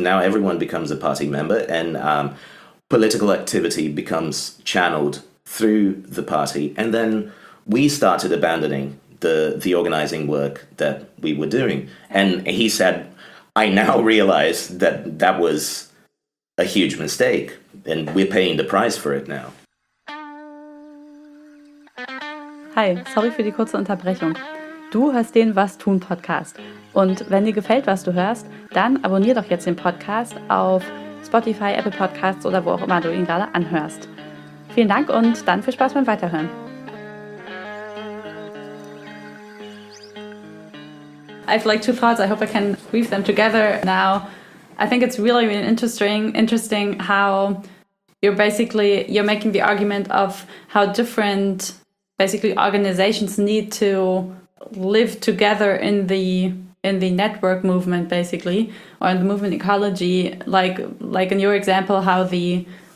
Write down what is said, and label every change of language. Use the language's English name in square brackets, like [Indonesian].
[English] Now everyone becomes a party member and political activity becomes channeled through the party. And then we started abandoning the organizing work that we were doing. And he said, I now realize that that was a huge mistake and we're paying the price for it now. [German] Hi, sorry für die kurze Unterbrechung. Du hörst den Was tun Podcast. Und wenn dir gefällt, was du hörst, dann abonnier doch jetzt den Podcast auf Spotify, Apple Podcasts oder wo auch immer du ihn gerade anhörst. Vielen Dank und dann viel Spaß beim Weiterhören. [English] I have like two thoughts. I hope I can weave them together now. I think it's really, really interesting how you're making the argument of how different basically organizations need to live together in the network movement, basically, or in the movement ecology, like in your example, how the